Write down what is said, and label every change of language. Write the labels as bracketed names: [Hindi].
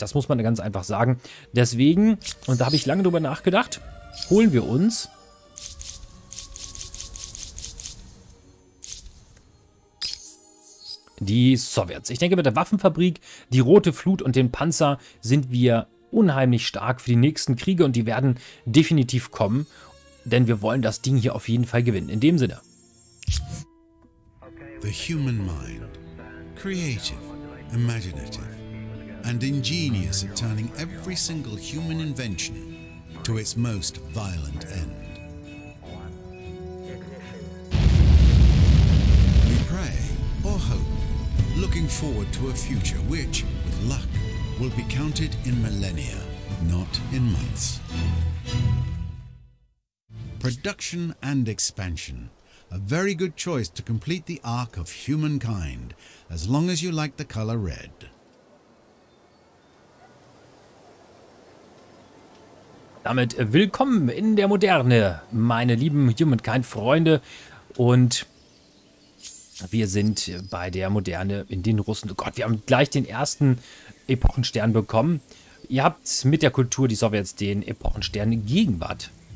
[German] Das muss man ganz einfach sagen. Deswegen, und da habe ich lange drüber nachgedacht, holen wir uns die Sowjets. Ich denke, mit der Waffenfabrik, die Rote Flut und dem Panzer sind wir unheimlich stark für die nächsten Kriege und die werden definitiv kommen. Denn wir wollen das Ding hier auf jeden Fall gewinnen. In dem Sinne. [English] The human mind. Creative, imaginative and ingenious at turning every single human invention to its most violent end. We pray or hope, looking forward to a future which, with luck, will be counted in millennia, not in months. Production and expansion. A very good choice to complete the arc of humankind, as long as you like the color red. [German] Damit willkommen in der Moderne, meine lieben Humankind-Freunde. Und wir sind bei der Moderne in den Russen. Oh Gott, wir haben gleich den ersten Epochenstern bekommen. Ihr habt mit der Kultur, die Sowjets, den Epochenstern Gegenwart.